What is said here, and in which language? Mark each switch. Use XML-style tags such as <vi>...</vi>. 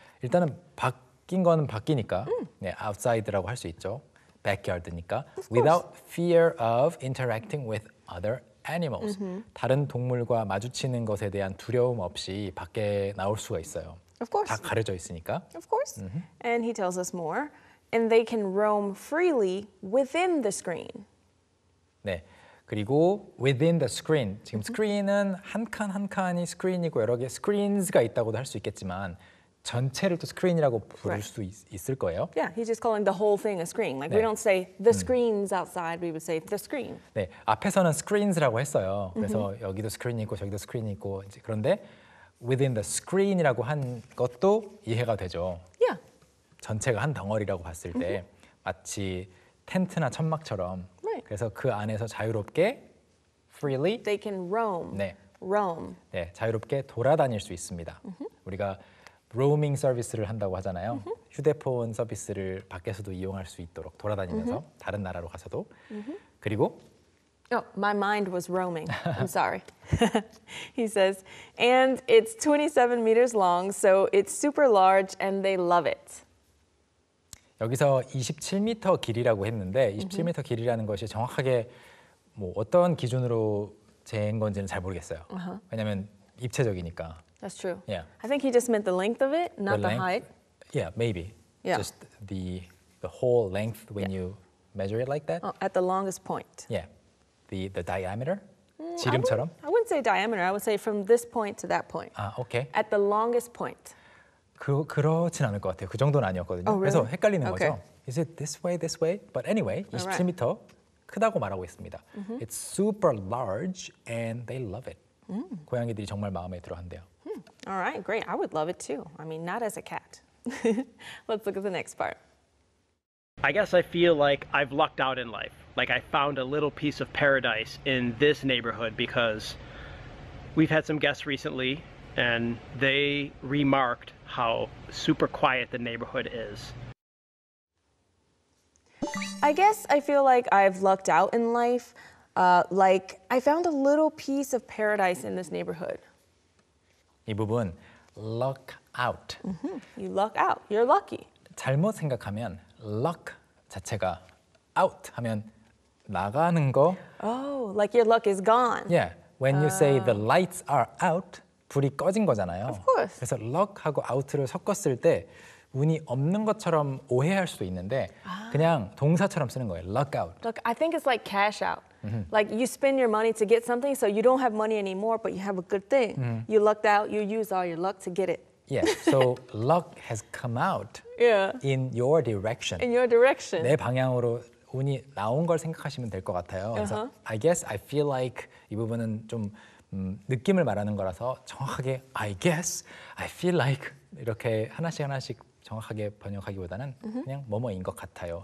<ko>일단은 바뀐 거는 바뀌니까, 네, outside라고 할 수 있죠. Backyard니까.</ko> <en>Without fear of interacting with other animals. Animals. Mm-hmm.</en> <ko>다른 동물과 마주치는 것에 대한 두려움 없이 밖에 나올 수가 있어요.</ko> <en>Of course.</en> <ko>다 가려져 있으니까.</ko> <en>Of course. Mm-hmm. And he tells us more. And they can roam freely within the screen.</en> <ko>네. 그리고</ko> <en>within the screen.</en> <ko>지금 screen은 한 칸 한 칸이 screen이고 여러 개 screens가 있다고도 할 수 있겠지만 전체를 또 screen이라고 부를</ko> <en>right.</en> <ko>수 있을 거예요.</ko> <en>Yeah, he's just calling the whole thing a screen. Like</en> <ko>네.</ko> <en>we don't say the screens outside, we would say the screen.</en> <ko>네, 앞에서는 screens라고 했어요. 그래서 여기도 screen 있고 저기도 screen 있고 이제 그런데</ko> <en>within the screen</en> <ko>이라고 한 것도 이해가 되죠.</ko> <en>Yeah.</en> <ko>전체가 한 덩어리라고 봤을 때 마치 텐트나 천막처럼</ko> <en>right.</en> <ko>그래서 그 안에서 자유롭게 freely</ko> <en>they can roam.</en> <ko>네.</ko> <en>roam.</en> <ko>네, 자유롭게 돌아다닐 수 있습니다. 우리가 로밍 서비스를 한다고 하잖아요. Mm-hmm. 휴대폰 서비스를 밖에서도 이용할 수 있도록 돌아다니면서 mm-hmm. 다른 나라로 가서도. Mm-hmm. 그리고</ko> <en>Oh, my mind was roaming. I'm sorry. He says, and it's 27 meters long, so it's super large and they love it.</en> <ko>여기서 27m 길이라고 했는데 27m 길이라는 것이 정확하게 뭐 어떤 기준으로 재는 건지는 잘 모르겠어요. Uh-huh. 왜냐면 입체적이니까.</ko> <en>That's true. Yeah. I think he just meant the length of it, not the height. Yeah, maybe. Yeah. Just the whole length when you measure it like that. Oh, at the longest point. Yeah. The diameter?</en> <ko>지름처럼?</ko> <en>I wouldn't say diameter. I would say from this point to that point.</en> <ko>아, okay.</ko> <en>At the longest point.</en> <ko>그렇진 않을 것 같아요. 그 정도는 아니었거든요.</ko> <en>Oh, really?</en> <ko>그래서 헷갈리는</ko> <en>okay.</en> <ko>거죠.</ko> <en>Is it this way, this way? But anyway, 27m</en> <ko>크다고 말하고 있습니다.</ko> <en>Mm-hmm. It's super large and they love it. Mm.</en> <ko>고양이들이 정말 마음에 들어 한대요. Mm.</ko> <en>All right, great. I would love it too. I mean, not as a cat. Let's look at the next part. I guess I feel like I've lucked out in life. Like I found a little piece of paradise in this neighborhood because we've had some guests recently and they remarked how super quiet the neighborhood is. I guess I feel like I've lucked out in life. Like I found a little piece of paradise in this neighborhood.</en> <ko>이 부분, luck out.</ko> <en>Mm-hmm. You luck out. You're lucky.</en> <ko>잘못 생각하면 luck 자체가 out 하면 나가는 거.</ko> <en>Oh, like your luck is gone. Yeah, when you say the lights are out,</en> <ko>불이 꺼진 거잖아요.</ko> <en>Of course.</en> <ko>그래서 luck하고 out를 섞었을 때 운이 없는 것처럼 오해할 수도 있는데 그냥 동사처럼 쓰는 거예요.</ko> <en>Luck out. Look, I think it's like cash out. Mm-hmm. Like you spend your money to get something, so you don't have money anymore, but you have a good thing. Mm-hmm. You lucked out. You use all your luck to get it. Yeah, so luck has come out in your direction. In your direction.</en> <ko>내 방향으로 운이 나온 걸 생각하시면 될 것 같아요. Uh-huh. 그래서</ko> <en>I guess, I feel like</en> <ko>이 부분은 좀 느낌을 말하는 거라서 정확하게 I guess, I feel like 이렇게 하나씩 하나씩 정확하게 번역하기보다는 mm-hmm. 그냥 뭐뭐인 것 같아요.</ko>